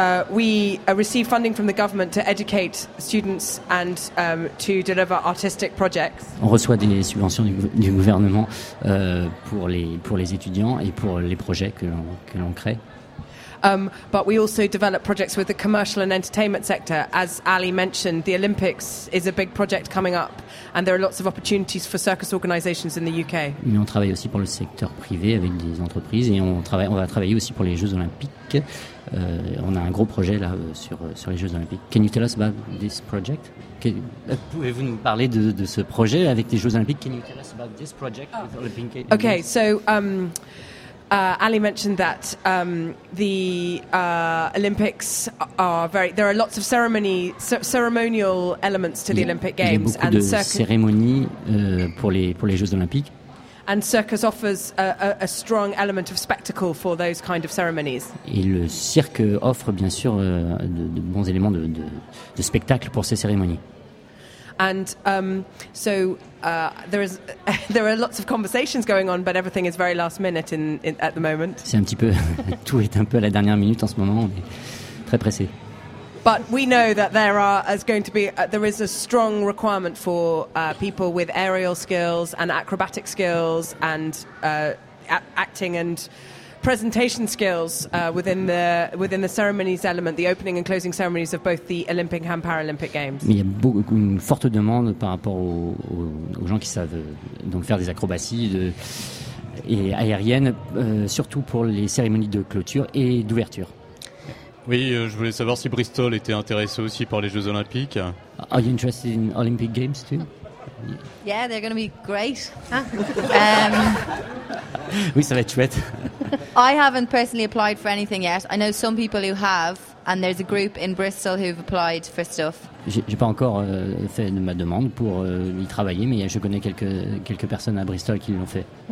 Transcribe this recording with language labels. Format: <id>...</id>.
<en>We receive funding from the government to educate students and to deliver artistic projects.</en> <fr>On reçoit des subventions du gouvernement pour les étudiants et pour les projets que l'on crée.</fr> <en>But we also develop projects with the commercial and entertainment sector. As Ali mentioned, the Olympics is a big project coming up, and there are lots of opportunities for circus organisations in the UK.</en> <fr>Mais on travaille aussi pour le secteur privé avec des entreprises, et on va travailler aussi pour les Jeux Olympiques. On a un gros projet là sur les Jeux Olympiques.</fr> <en>Can you tell us about this project?</en> <fr>Pouvez-vous nous parler de ce projet avec les Jeux Olympiques?</fr> <en>Can you tell us about this project with Olympic Games? Okay, so. Ali mentioned that the Olympics are very. There are lots of ceremonial elements to the Olympic Games,</en> <fr>and cérémonies pour les Jeux Olympiques.</fr> <en>And circus offers a strong element of spectacle for those kind of ceremonies.</en> <fr>Et le cirque offre bien sûr de bons éléments de spectacle pour ces cérémonies.</fr> <en>And there are lots of conversations going on, but everything is very last minute in at the moment.</en> <fr>C'est un petit peu tout est un peu à la dernière minute en ce moment. On est très pressé.</fr> <en>But we know that there is a strong requirement for people with aerial skills and acrobatic skills and acting and presentation skills within the ceremonies element, the opening and closing ceremonies of both the Olympic and Paralympic Games.</en> <fr>Il y a une forte demande par rapport aux gens qui savent donc faire des acrobaties et aériennes, surtout pour les cérémonies de clôture et d'ouverture. Oui, je voulais savoir si Bristol était intéressé aussi par les Jeux Olympiques.</fr> <en>Are you interested in Olympic Games too? Yeah, they're going to be great.</en> <fr>Oui, ça va être chouette.</fr> <en>I haven't personally applied for anything yet. I know some people who have, and there's a group in Bristol who've applied for stuff.</en> <fr>J'ai pas encore fait ma demande pour y travailler, mais je connais quelques personnes à Bristol qui l'ont fait.</fr>